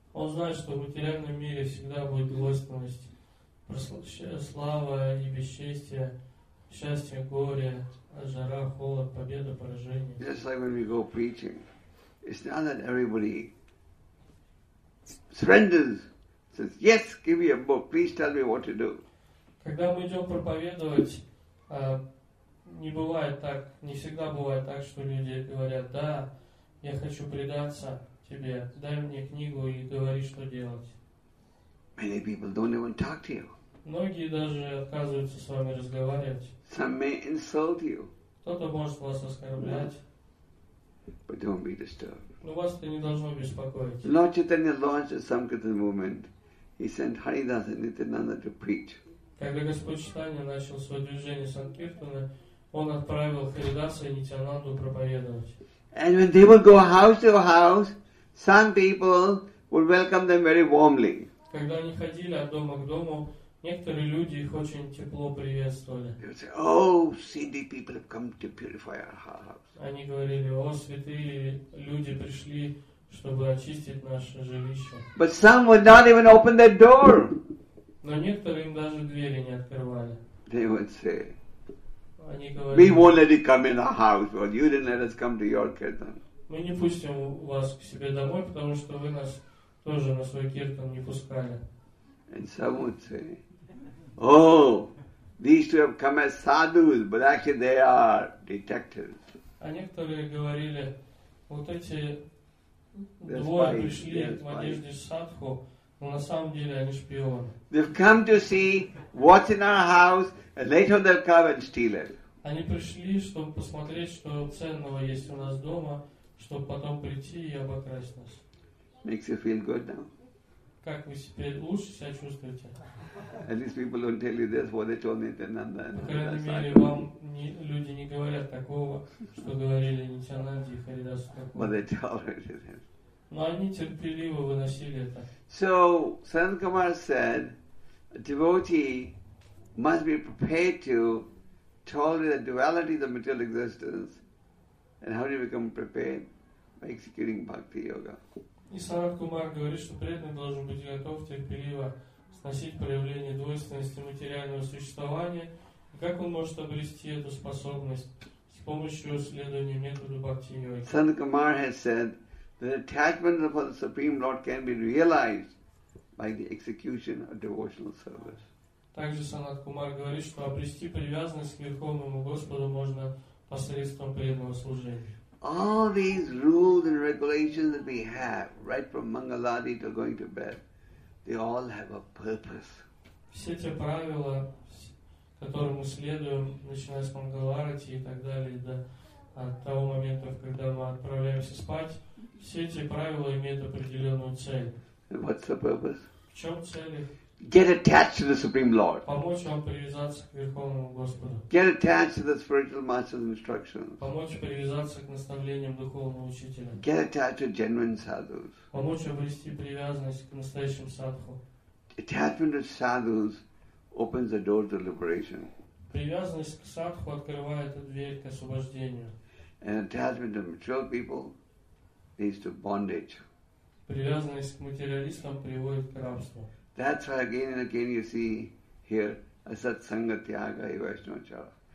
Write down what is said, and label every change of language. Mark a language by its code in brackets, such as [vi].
[ru] Он знает, что в материальном мире всегда будет двойственность, слава и бесчестие, счастье, горе, жара, холод, победа, поражение. [en] Just like when we go preaching, it's not that everybody surrenders, says, yes, give me a book, please tell me what to do. [ru] Когда мы идем проповедовать, не бывает так, не всегда бывает так, что люди говорят, да, я хочу предаться тебе, дай мне книгу и говори, что делать. [en] Many people don't even talk to you. [ru] Многие даже отказываются с вами разговаривать. [en] Some may insult you. [ru] Кто-то может вас оскорблять. [en] No. But don't be disturbed. [ru] Но вас это не должно беспокоить. [en] Lord Chaitanya launched the Samkirtan movement. He sent Haridas and Nityananda to preach. [ru] Когда Господь Читания начал свое движение Санкиртана, Он отправил Харидаса и Нитянанду проповедовать. [en] And when they would go house to house, some people would welcome them very warmly. [ru] Когда они ходили от дома к дому, некоторые люди их очень тепло приветствовали. [en] They would say, "Oh, Sindhi people have come to purify our house." [ru] Они говорили: "О, святые люди пришли, чтобы очистить наше жилище." [en] But some would not even open their door. [ru] Но некоторые им даже двери не открывали. [en] They would say, "We won't let you come in our house, but you didn't let us come to your kirtan." [ru] Мы не пустим вас к себе домой, потому что вы нас тоже на свой киртан не пускали. [en] And some would say, "Oh, these two have come as sadhus, but actually they are detectives." [ru] А некоторые говорили, вот эти двое пришли в одежде садху, но на самом деле они шпионы. [en] They've come to see what's in our house, and later they'll come and steal it. [ru] Они пришли, чтобы посмотреть, что ценного есть у нас дома, чтобы потом прийти и обокрасть нас. [en] Makes you feel good now. [ru] Как вы теперь лучше себя чувствуете? [en] At least people don't tell you this, what they told Nityananda. [ru] По крайней мере, вам люди не говорят такого, что говорили Нитянанде и Харидасу. [en] But they tolerated it. [ru] Но они терпеливо выносили это. [en] So, Sanat Kumar said, a devotee must be prepared to tolerate the duality of the material existence. And how do you become prepared? By executing bhakti yoga. [ru] И Санат Кумар говорит, что преданный должен быть готов терпеливо сносить проявление двойственности материального существования. И как он может обрести эту способность? С помощью следования методу бхакти йоги. [en] Санат Кумар has said, the attachment of the Supreme Lord can be realized by the execution of devotional service. [ru] Также Санат Кумар говорит, что обрести привязанность к Верховному Господу можно посредством преданного служения. [en] All these rules and regulations that we have, right from Mangaladi to going to bed, they all have a purpose. [ru] Все те правила, которым мы следуем, начиная с Мангаларати и так далее, до того момента, когда мы отправляемся спать, все эти правила имеют определенную цель. [en] What's the purpose? [ru] В чем цель? [en] Get attached to the Supreme Lord. [ru] Помочь вам привязаться к Верховному Господу. [en] Get attached to the spiritual master's instructions. [ru] Помочь привязаться к наставлениям духовного учителя. [en] Get attached to genuine sadhus. [ru] Помочь обрести привязанность к настоящим садху. [en] Attachment to sadhus opens the door to liberation. [ru] Привязанность к садху открывает дверь к освобождению. [en] And attachment to mature people leads to bondage. [ru] Привязанность к материалистам приводит к рабству. [en] That's why again and again you see here Asat Sangha Tyaga Vaishnava Chara.